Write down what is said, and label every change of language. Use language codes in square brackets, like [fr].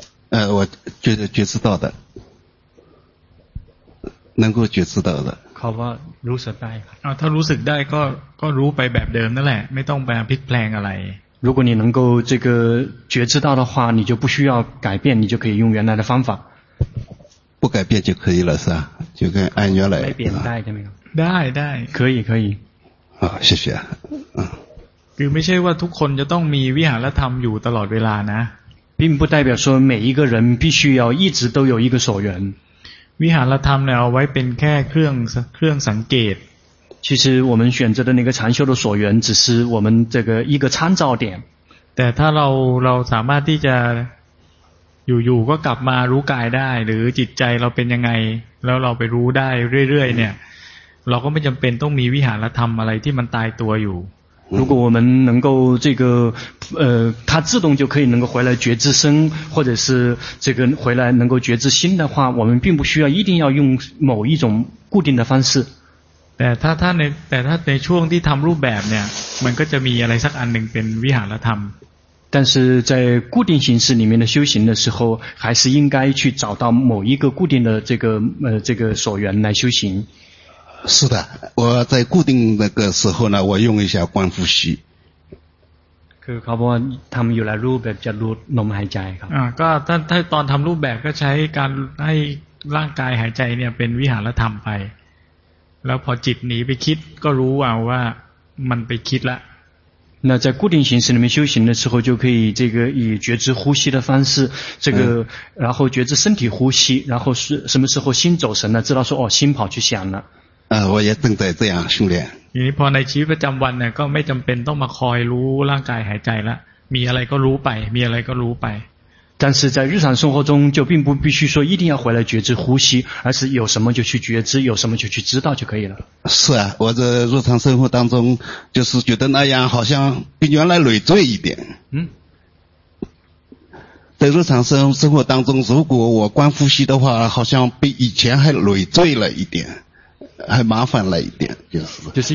[zh] 我觉知到的能够觉知到的 [th] เขาว่ารู้สึกได้ถ้ารู้สึกได้ก็รู้ไปแบบเดิมนั่นแหละไม่ต้องไปพลิกแปลงอะไร [zh] 如果你能够这个觉知到的话你就不需要改变你就可以用原来的方法不改变就可以了是吧就跟按原来 [th] 改变ได้ใช่ไหมครับ ได้ [zh] 可以好谢谢 [th] คือไม่ใช่ว่าทุกคนจะต้องมีวิหารธรรมอยู่ตลอดเวลานะ [zh] 并不代表说每一个人必须要一直都有一个所缘 [th] วิหารธรรมเนี่ยเอาไว้เป็นแค่เครื่องสังเกต [zh] 其实我们选择的那个禅修的所缘只是我们这个一个参照点 [th] แต่ถ้าเราสามารถที่จะอยู่ๆก็กลับมารู้กายได้หรือจิตใจเราเป็นยังไงแล้วเราไปรู้ได้เรื่อยๆเนี่ยเราก็ไม่จำเป็นต้องมีวิหารธรรมอะไรที่มันตายตัวอยู่ [zh] 如果我们能够这个它自动就可以能够回来觉知身或者是这个回来能够觉知心的话我们并不需要一定要用某一种固定的方式 [th] แต่ถ้าท่านในแต่ถ้าในช่วงที่ทำรูปแบบเนี่ยมันก็จะมีอะไรสักอันหนึ่งเป็นวิหารธรรม [zh] 但是在固定形式里面的修行的时候还是应该去找到某一个固定的这个所缘来修行是的我在固定那个时候呢我用一下观呼吸 [th] คือเขาบอกว่าทำอยู่แล้วรูปแบบจะรู้ลมหายใจครับ ก็ถ้าตอนทำรูปแบบก็ใช้การให้ร่างกายหายใจเนี่ยเป็นวิหารธรรมไปแล้วพอจิตหนีไปคิดก็รู้ว่ามันไปคิดละ [zh] 那在固定形式里面修行的时候就可以这个以觉知呼吸的方式这个然后觉知身体呼吸然后什么时候心走神了知道说哦心跑去想了我也正在这样训练 [th] ทีนี้พอในชีวิตประจำวันเนี่ยก็ไม่จำเป็นต้องมาคอยรู้ร่างกายหายใจละมีอะไรก็รู้ไปมีอะไรก็รู้ไป [zh] 但是在日常生活中就并不必须说一定要回来觉知呼吸而是有什么就去觉知有什么就去知道就可以了是啊我在日常生活当中就是觉得那样好像比原来累赘一点嗯在日常生活当中如果我观呼吸的话好像比以前还累赘了一点还麻烦了一点就是